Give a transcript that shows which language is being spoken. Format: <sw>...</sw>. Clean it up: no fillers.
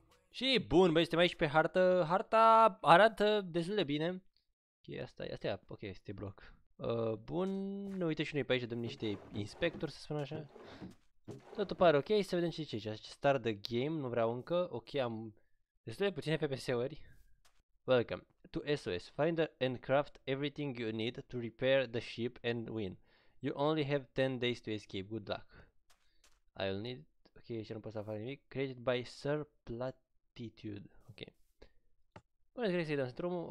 <ro>Și bun, băi, suntem aici pe hartă. Harta arată destul de bine. Ok, asta e, ok, este bloc. Bun, uite și noi pe aici, dăm niște inspectori, să spun așa. Totul pare ok, să vedem ce zice aici.</ro> <en>Start the game,</en> <ro>nu vreau încă. Ok, am destul de puține PPS-uri.</ro> <en>Welcome to SOS. Find and craft everything you need to repair the ship and win. You only have 10 days to escape. Good luck. I'll need...</en> <ro>Ok, aici nu pot să fac nimic.</ro> <en>Created by Sir Platitude.</en> <ro>Ok. Bună, trebuie să-i dăm strumul.</ro>